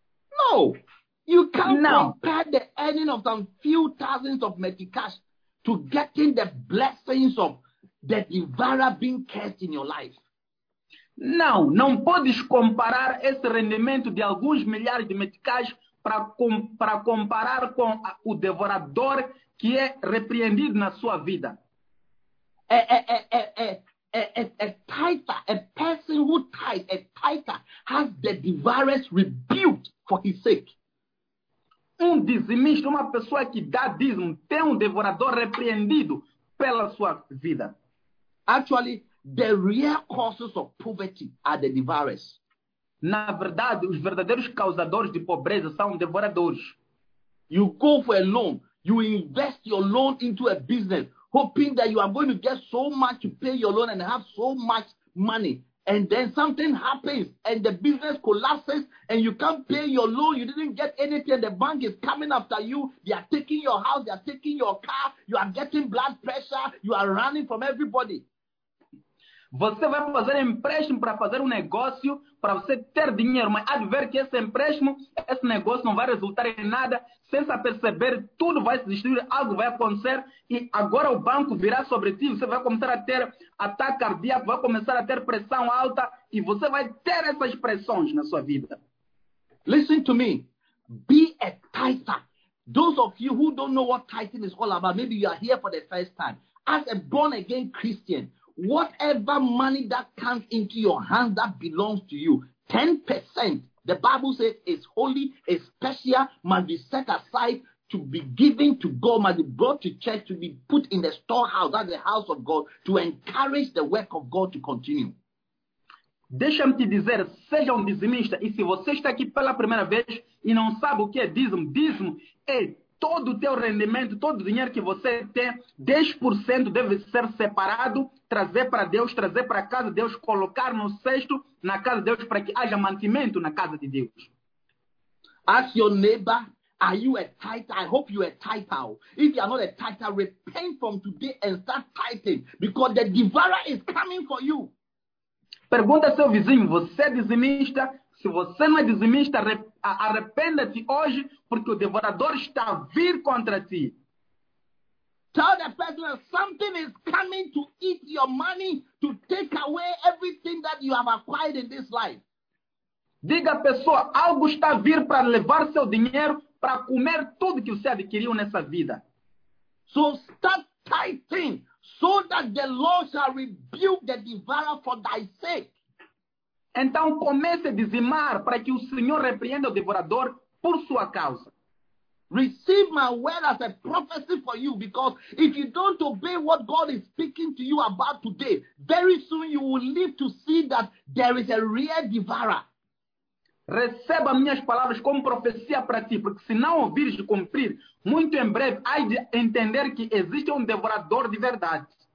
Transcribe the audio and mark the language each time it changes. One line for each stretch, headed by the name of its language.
English: No. You can't compare the earning of some few thousands of medicas to getting the blessings of the devourer being cursed in your life.
Portuguese: Não, não podes comparar esse rendimento de alguns milhares de medicas para comparar com o devorador que é repreendido na sua vida.
English: A person who tithes has the devourer rebuked for his sake.
Portuguese: Um dizimista, uma pessoa que dá dízimo, tem um devorador repreendido pela sua vida.
English: Actually, the real causes of poverty are the devourers.
Portuguese: Na verdade, os verdadeiros causadores de pobreza são devoradores.
English: You go for a loan, you invest your loan into a business, hoping that you are going to get so much to pay your loan and have so much money. And then something happens and the business collapses and you can't pay your loan. You didn't get anything. The bank is coming after you. They are taking your house. They are taking your car. You are getting blood pressure. You are running from everybody.
Portuguese: Você vai fazer empréstimo para fazer negócio, para você ter dinheiro, mas adver que esse empréstimo, esse negócio não vai resultar em nada, sem se aperceber, tudo vai se destruir, algo vai acontecer, e agora o banco virá sobre ti, você vai começar a ter ataque cardíaco, vai começar a ter pressão alta, e você vai ter essas pressões na sua vida.
English: Listen to me. Be a tither. Those of you who don't know what tithing is all about, maybe you are here for the first time. As a born-again Christian, whatever money that comes into your hands that belongs to you, 10%, the Bible says, is holy, is special, must be set aside to be given to God, must be brought to church, to be put in the storehouse, that's the house of God, to encourage the work of God to continue.
Portuguese: Deixa-me te dizer, seja dizimista, e se você está aqui pela primeira vez e não sabe o que é dízimo, dízimo é todo o teu rendimento, todo o dinheiro que você tem, 10% deve ser separado, trazer para Deus, trazer para a casa de Deus, colocar no cesto, na casa de Deus, para que haja mantimento na casa de Deus.
English: Ask your neighbor, are you a tither? I hope you are a tither. If you are not a tither, repent from today and start tithing, because the devourer is coming for you.
Portuguese: Pergunta ao seu vizinho, você é dizimista? Se você não é dizimista, arrependa-te hoje, porque o devorador está a vir contra ti.
English: Tell the person that something is coming to eat your money, to take away everything that you have acquired in this life.
Portuguese: Diga à pessoa, algo está a vir para levar seu dinheiro, para comer tudo que você adquiriu nessa vida.
English: So start tithing, so that the Lord shall rebuke the devourer for thy sake.
Portuguese: Então comece a dizimar para que o Senhor repreenda o devorador por sua causa.
English: Receive my word as a prophecy for you, because if you don't obey what God is speaking to you about today, very soon you will live to see that there is a real devourer.
Portuguese: Receba minhas palavras como profecia para ti, porque se não ouvires de cumprir, muito em breve hai de entender que existe devorador de verdade.